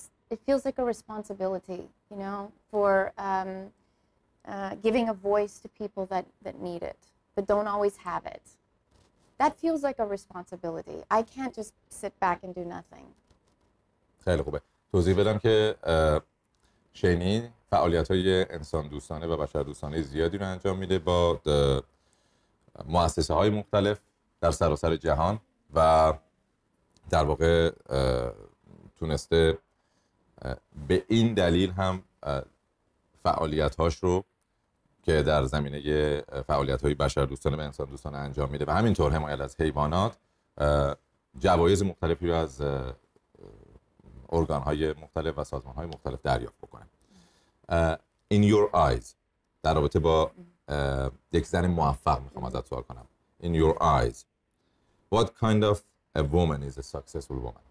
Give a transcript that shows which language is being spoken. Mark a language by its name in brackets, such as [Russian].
[English] It feels like a responsibility, you know, for giving a voice to people that need it, but don't always have it. That feels like a responsibility. I can't just sit back and do nothing. [Persian] خیلی خوبه. توضیح بدم که شینی فعالیت‌های انسان دوستانه و بشر دوستانه زیادی رو انجام میده با مؤسسه‌های مختلف در سراسر جهان و در واقع تونسته به این دلیل هم فعالیت‌هاش رو که در زمینه فعالیت‌های بشر دوستانه و انسان دوستانه انجام میده و همینطور حمایت از حیوانات جوایز مختلفی رو از ارگان‌های مختلف و سازمان‌های مختلف دریافت بکنه. [English] In your eyes, [Persian] در رابطه با یک زن موفق میخوام ازت سوال کنم. [English] In your eyes, what kind of a woman is a successful woman?